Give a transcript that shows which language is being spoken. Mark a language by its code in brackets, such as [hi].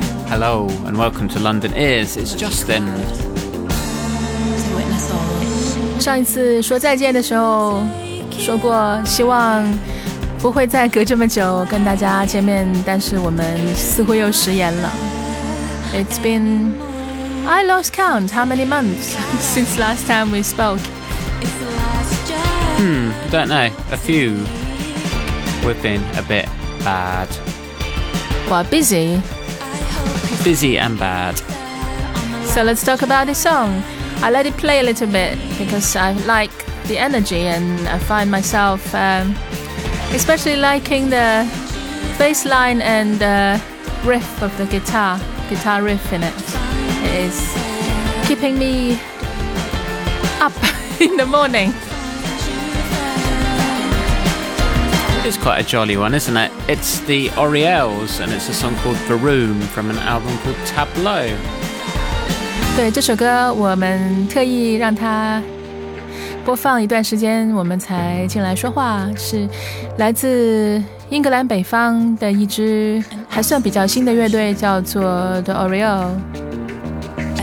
[en] Hello and welcome to London Ears, it's Justin。 [zh] 上一次说再见的时候说过希望不会再隔这么久跟大家见面，但是我们似乎又食言了。 [en] It's beenI lost count how many months since last time we spoke. I don't know. A few. We've been a bit bad. Well, busy. Busy and bad. So let's talk about this song. I let it play a little bit because I like the energy and I find myself especially liking the bass line and the riff of the guitar riff in it. Is keeping me up in the morning. It's quite a jolly one, isn't it? It's the Orioles, and it's a song called The Room from an album called Tableau. [zh] 对这首歌，我们特意让它播放一段时间，我们才进来说话，是来自英格兰北方的一支还算比较新的乐队，叫做 The Orioles。